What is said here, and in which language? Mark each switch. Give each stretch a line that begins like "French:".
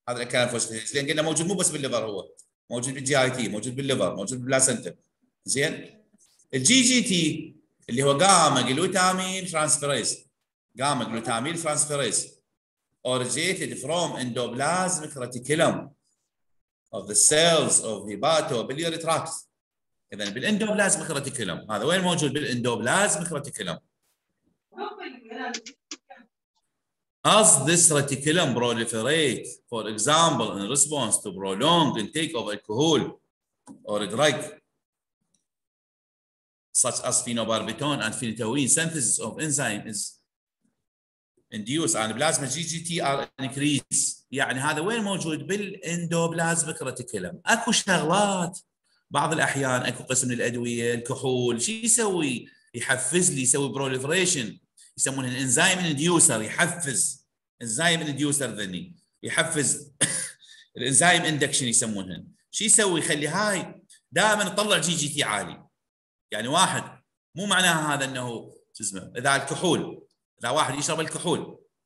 Arabic: هذا الالكالين فوسفيتيز لان قلنا موجود مو بس بالليفر, هو موجود بالجي اي تي, موجود بالليفر, موجود بالبلاسنتا. زين, الجي جي تي اللي هو جاما جلوتامين ترانسفيريز, جاما جلوتامين ترانسفيريز اوريجيتد فروم اندوبلازمك ريتيكولم
English: of the cells of the hepatobiliary tract.
Arabic: إذن بالإندوبلازميك راتيكولوم هذا وين موجود بالإندوبلازميك راتيكولوم؟
English: As this reticulum proliferate, for example, in response to prolonged intake of alcohol or a drug, such as phenobarbital and phenytoin, synthesis of enzyme is induced and plasma GGT are increased.
Arabic: يعني هذا وين موجود بالإندوبلازميك راتيكولوم؟ أكو شغلات بعض الأحيان أكو قسم الأدوية الكحول شو يسوي؟ يحفز لي يسوي proliferation. يسمونه انزيم انديوسر يحفز انزيم انديوسر ذني يحفز الانزيم اندكشن يسمونه شو يسوي يخلي هاي دائما تطلع جي جي تي عالي يعني واحد مو معناها هذا انه اسمه اذا الكحول اذا واحد يشرب الكحول